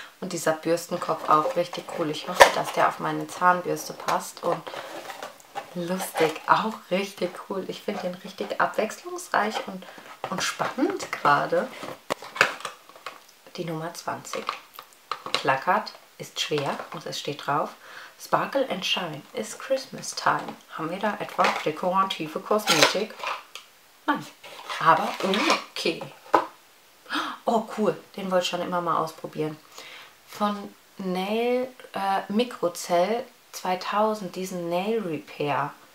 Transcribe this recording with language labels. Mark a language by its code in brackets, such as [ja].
[de] Und dieser Bürstenkopf auch richtig cool. Ich hoffe, dass der auf meine Zahnbürste passt. Und lustig. Auch richtig cool. Ich finde den richtig abwechslungsreich und spannend gerade. Die Nummer 20. Plakat ist schwer und es steht drauf. [en] Sparkle and Shine is Christmas Time. [de] Haben wir da etwa dekorative Kosmetik? Nein. Aber okay. Oh cool, den wollte ich schon immer mal ausprobieren. Von Nail Mikrozell 2000, diesen Nail Repair.